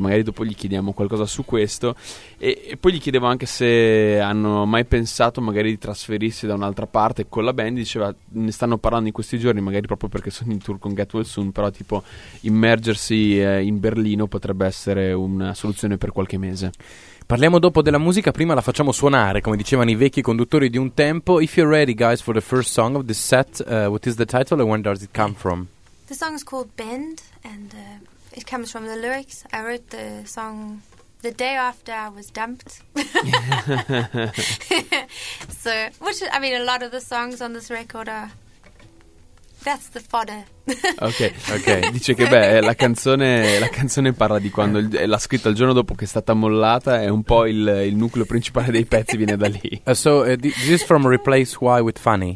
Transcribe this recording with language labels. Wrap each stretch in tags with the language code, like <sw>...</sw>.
<it>Magari dopo gli chiediamo qualcosa su questo. E poi gli chiedevo anche se hanno mai pensato magari di trasferirsi da un'altra parte con la band. Diceva, ne stanno parlando in questi giorni, magari proprio perché sono in tour con Get Well Soon, però tipo immergersi in Berlino potrebbe essere una soluzione per qualche mese. Parliamo dopo della musica, prima la facciamo suonare, come dicevano i vecchi conduttori di un tempo.</it> <en>If you're ready, guys, for the first song of this set, what is the title and when does it come from? The song is called Bend, and it comes from the lyrics. I wrote the song the day after I was dumped. So, which is, I mean, a lot of the songs on this record are... That's the fodder.</en> <it>Ok. Dice che la canzone parla di quando l'ha scritta il giorno dopo che è stata mollata, è un po' il nucleo principale dei pezzi viene da lì.</it> <en>So this is from Replace Why with Funny.</en>